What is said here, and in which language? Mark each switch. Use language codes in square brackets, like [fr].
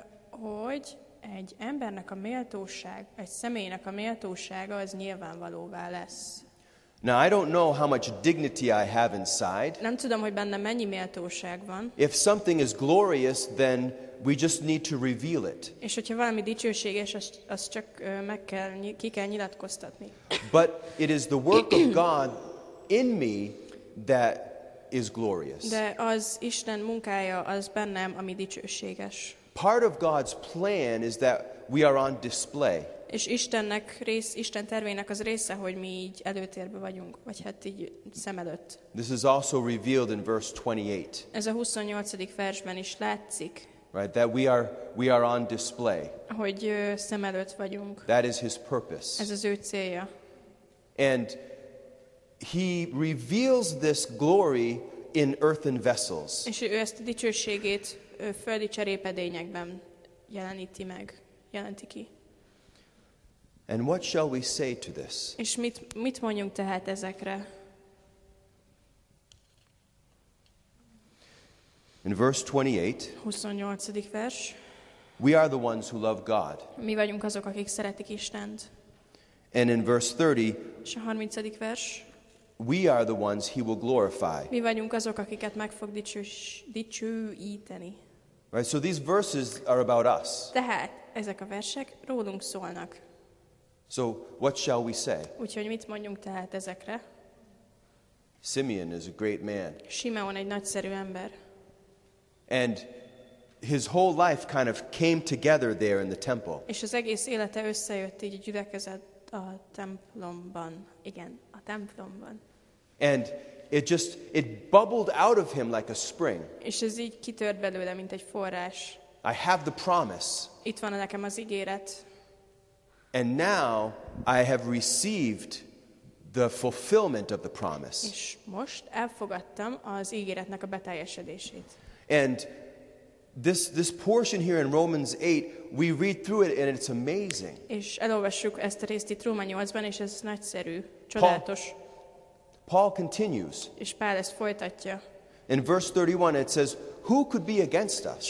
[hu] Hogy egy embernek a méltóság, egy személynek a méltósága az nyilvánvalóvá lesz. [en] Now I don't know how much dignity I have inside. [hu] Nem tudom, hogy bennem mennyi méltóság van. [en] If something is glorious, then we just need to reveal it. [hu] És hogyha valami dicsőséges, az csak meg kell, ki kell nyilatkoztatni. [en] But it is the work of God in me that is glorious. [hu] De az Isten munkája az bennem, ami dicsőséges. [en] Part of God's plan is that we are on display. [hu] És Istennek rész, Isten tervének az része, hogy mi így előtérbe vagyunk, vagy hát így szem előtt. [en] This is also revealed in verse 28. [hu] Ez a 28. versben is látszik. [en] Right, that we are on display. [hu] Hogy szem előtt vagyunk. [en] That is his purpose. [hu] Ez az ő célja. [en] And he reveals this glory in earthen vessels. [hu] És ő ezt a dicsőségét földi cserépedényekben jeleníti meg, jelenti ki. [en] And what shall we say to this? [hu] És mit mondjunk tehát ezekre? [en] In verse 28, [hu] 28. [en] We are the ones who love God. [hu] Mi vagyunk azok, akik szeretik Istent. [en] And in verse 30, [hu] és a 30. vers. [en] We are the ones he will glorify. [hu] Mi vagyunk azok, akiket meg fog dicsőíteni. [en] Right, so these verses are about us. [hu] Tehát ezek a versek rólunk szólnak. [en] So what shall we say? [hu] Úgyhogy mit mondjunk tehát ezekre? [en] Simeon is a great man. [hu] Simeon egy nagyszerű ember. [en] And his whole life kind of came together there in the temple. [hu] És az egész élete összejött így a gyülekezet a templomban. Igen, a templomban. [en] And it bubbled out of him like a spring. [hu] És ez így kitört belőle, mint egy forrás. [en] I have the promise. [hu] Itt van nekem az ígéret. [en] And now I have received the fulfillment of the promise. [hu] És most elfogadtam az ígéretnek a beteljesedését. [en] And this portion here in Romans 8, we read through it and it's amazing. [hu] És elolvassuk ezt a részt itt Róma 8-ban, és ez nagyszerű, csodálatos. [en] Paul continues. [hu] És Pál ezt folytatja. [en] In verse 31 it says, who could be against us?